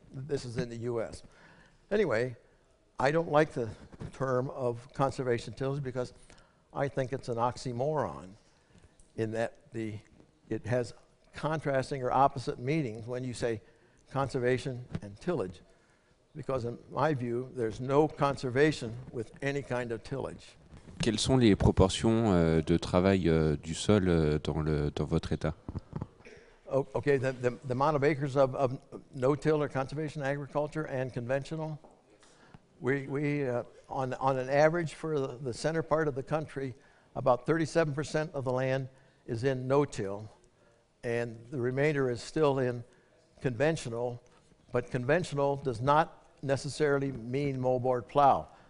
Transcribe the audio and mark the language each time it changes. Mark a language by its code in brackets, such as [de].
[en] This is in the U.S. Anyway, I don't like the term of conservation tillage because I think it's an oxymoron in that it has contrasting or opposite meanings when you say conservation and tillage, because in my view, there's no conservation with any kind of tillage. [fr] Quelles sont les proportions de travail du sol dans votre état? [en] Okay, the amount of acres of no-till or conservation agriculture and conventional, on an average for the center part of the country, about 37% of the land is in no-till, and the remainder is still in conventional, but conventional does not necessarily mean moldboard plow.